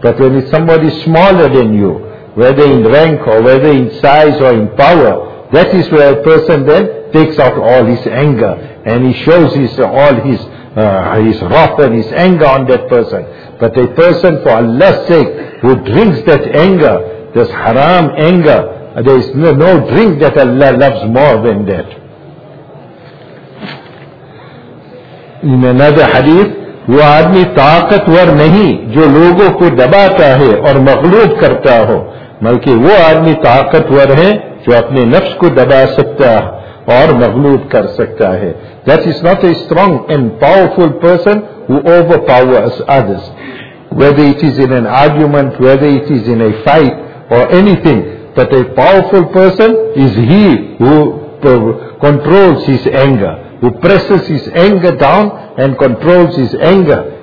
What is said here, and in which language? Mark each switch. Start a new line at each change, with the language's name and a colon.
English: But when it's somebody smaller than you, whether in rank or whether in size or in power, that is where a person then takes out all his anger and he shows his wrath and his anger on that person. But a person, for Allah's sake, who drinks that anger, this haram anger, there is no drink that Allah loves more than that. In another hadith,
Urdu: وہ آدمی طاقتور نہیں جو لوگوں کو دباتا ہے اور مغلوب کرتا ہو بلکہ وہ آدمی طاقتور ہے جو اپنے نفس کو دبا سکتا اور مغلوب کر سکتا ہے.
English: That is not a strong and powerful person who overpowers others, whether it is in an argument, whether it is in a fight or anything. But a powerful person is he who controls his anger, who presses his anger down and controls his anger.